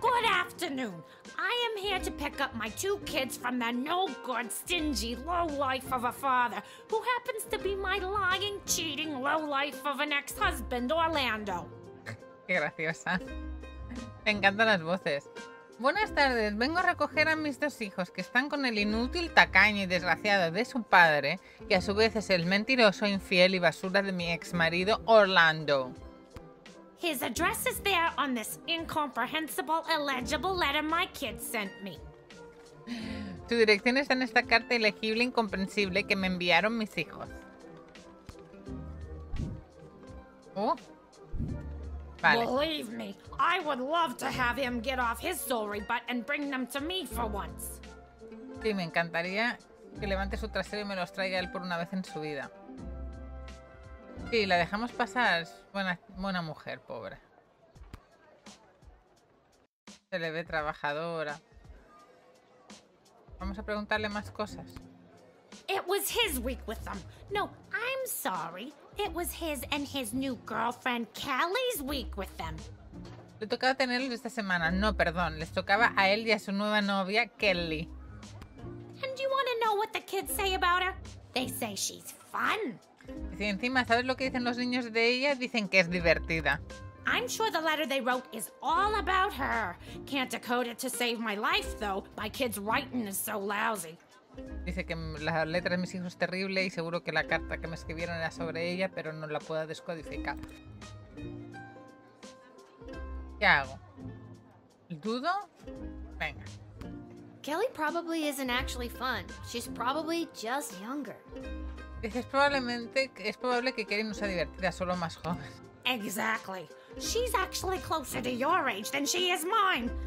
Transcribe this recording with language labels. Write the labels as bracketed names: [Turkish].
[English] Good afternoon. I am here to pick up my two kids from the no good, stingy, low life of a father, who happens to be my lying, cheating, low life of an ex-husband, Orlando. [Spanish] Qué graciosa. Me encantan las voces. Buenas tardes, vengo a recoger a mis dos hijos que están con el inútil, tacaño y desgraciado de su padre, que a su vez es el mentiroso, infiel y basura de mi ex marido Orlando. [English] His address is there on this incomprehensible, illegible letter my kid sent me. [Spanish] Su dirección está en esta carta ilegible e incomprensible que me enviaron mis hijos. Oh. Vale. [English] Believe me, I would love to have him get off his sorry butt and bring them to me for once. [Spanish] Sí, me encantaría que levante su trasero y me los traiga él por una vez en su vida. Sí, la dejamos pasar. Buena mujer, pobre. Se le ve trabajadora. Vamos a preguntarle más cosas. [English] It was his week with them. No, I'm sorry. It was his and his new girlfriend Callie's week with them. [Spanish] Le tocaba tenerlos esta semana. No, perdón. Les tocaba a él y a su nueva novia, Kelly. [English] And you want to know what the kids say about her? They say she's fun. [Spanish] Y si encima, ¿sabes lo que dicen los niños de ella? Dicen que es divertida. [English] I'm sure the letter they wrote is all about her. Can't decode it to save my life, though. My kid's writing is so lousy. [Spanish] Dice que la letra de mis hijos es terrible y seguro que la carta que me escribieron era sobre ella, pero no la puedo descodificar. ¿Qué hago? ¿Dudo? Venga. [English] Kelly probably isn't actually fun. She's probably just younger. [Spanish] Es probable que Kelly no sea divertida, solo más joven. [English] Exactly. She's actually closer to your age than she is mine.